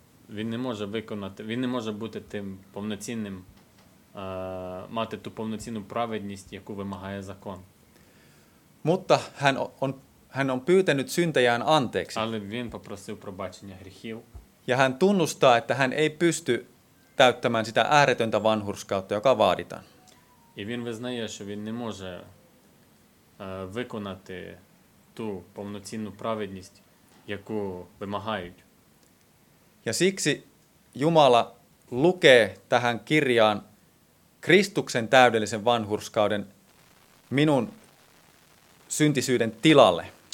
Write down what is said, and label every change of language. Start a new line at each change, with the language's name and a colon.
Ukrainian: Він не може бути тим повноцінним, мати ту повноцінну праведність, яку вимагає закон.
Finnish: Mutta hän on pyytänyt syntejään anteeksi.
Ukrainian: Але він попросив пробачення гріхів.
Finnish: Ja hän tunnustaa, että hän ei pysty täyttämään sitä ääretöntä vanhurskautta, joka vaaditaan.
Ukrainian: І він визнає, що він не може виконати ту повноцінну праведність, яку вимагають.
Finnish: Ja siksi Jumala lukee tähän kirjaan Kristuksen täydellisen vanhurskauden minun syntisyyden tilalle.